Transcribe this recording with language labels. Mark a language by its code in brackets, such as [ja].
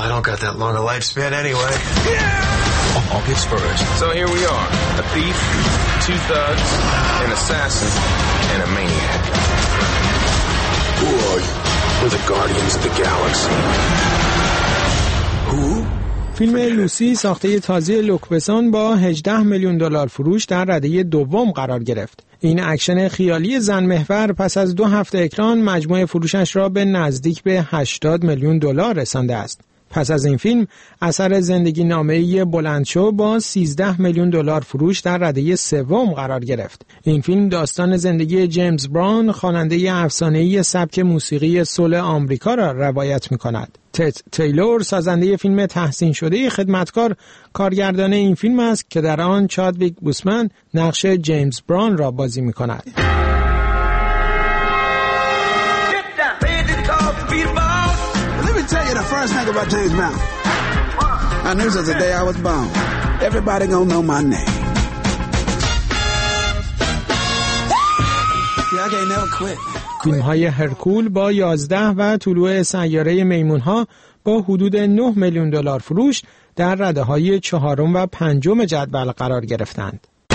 [en] I don't got that long a lifespan anyway. Yeah! August 1st. So here we are. A thief, two thugs, an assassin, and a maniac. Who are you? We're the Guardians of the Galaxy. Who? [fa] فیلم لوسی ساخته تازه لوک بسون با 18 میلیون دلار فروش در رده دوم قرار گرفت. این اکشن خیالی زن محور پس از دو هفته اکران مجموع فروشش را به نزدیک به 80 میلیون دلار رسانده است. پس از این فیلم اثر زندگی نامه‌ای بلندشو با 13 میلیون دلار فروش در رده سوم قرار گرفت. این فیلم داستان زندگی جیمز براون، خواننده افسانه‌ای سبک موسیقی سول آمریکا را روایت می‌کند. تت تیلور سازنده فیلم تحسین شده خدمتکار کارگردان این فیلم است که در آن چادویک بوسمن نقش جیمز براون را بازی می‌کند. [en] The first thing about James Brown, I knew since the day I was born, everybody gonna know my name. See, I can't never quit. [fa] فیلم‌های هرکول با 11 و طلوع سیاره میمون‌ها با حدود 9 میلیون دلار فروش در رده‌های 4 و 5 جدول قرار گرفتند.